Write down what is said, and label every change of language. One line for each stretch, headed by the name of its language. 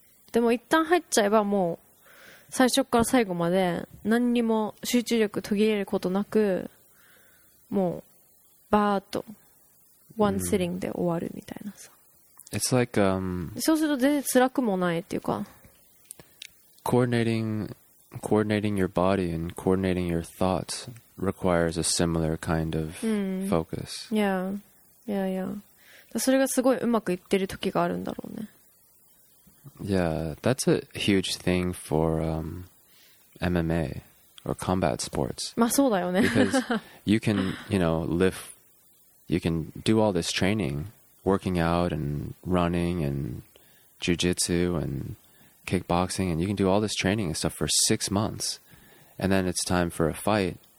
Japanese: でも一旦入っちゃえばもう最初から最後まで何にも集中力途切れることなくもうバーッと
English: one sitting
Japanese: で終わるみたいなさ。
English: It's like,
Japanese: そうすると全然辛くもないっていうか
English: coordinating your body and coordinating your thoughts requires a similar kind of focus. Yeah, yeah, yeah.
Japanese: それがすごいうまくいってる時があるんだろうね。
English: Yeah, that's a huge thing for MMA or combat sports.
Japanese: まあそうだよね。
English: Because you can, you know, lift, you can do all this training, working out and running and jiu-jitsu and kickboxing, and you can do all this training and stuff for 6 months, and then it's time for a fight.